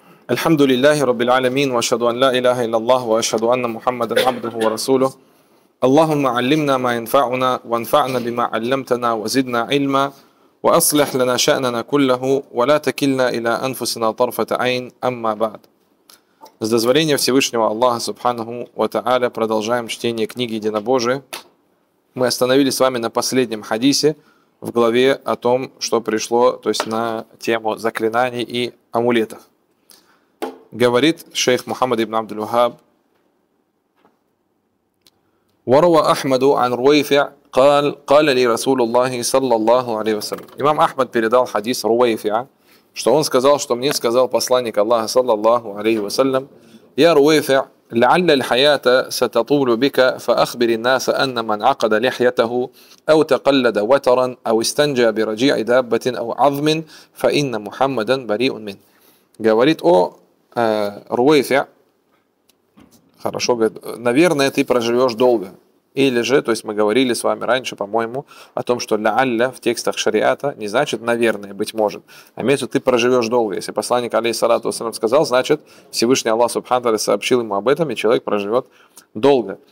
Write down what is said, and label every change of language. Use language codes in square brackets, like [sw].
[ar] الحمد لله رب العالمين واشهد ان لا اله الا الله واشهد ان محمدا عبده ورسوله اللهم علمنا ما ينفعنا وانفعنا بما علمتنا وزدنا علما واصلح لنا شاننا كله ولا تكلنا الى انفسنا طرفه عين اما بعد [ru] С дозволения Всевышнего Аллаха Субханаху ва Тааля продолжаем чтение книги Единобожия. Мы остановились с вами на последнем хадисе в главе о том, что пришло, то есть на тему заклинаний и амулетов. Говорит шейх Мухаммад ибн Абдул-Вахаб. [ar] وروى أحمد عن رويفع قال قال لي رسول الله صلى الله عليه وسلم. [ru] Имам Ахмад передал хадис Руайфиа, что он сказал, что мне сказал посланник Аллаха [ar] صلى الله عليه وسلم. يا رويفع لعل الحياة ستطول بك فأخبر الناس أن من عقد لحيته أو تقلد وترا أو استنجى برجيع دابة أو عظم فإن محمدا بريء منه. [ru] Говорит о Руайфиа. Хорошо, говорит, наверное, ты проживешь долго. Или же, то есть мы говорили с вами раньше, по-моему, о том, что «ля'алля» в текстах шариата не значит «наверное», «быть может», а имеется, ты проживешь долго. Если посланник, алейхиссалату вассалям, сказал, значит, Всевышний Аллах, субхану тааля, сообщил ему об этом, и человек проживет долго.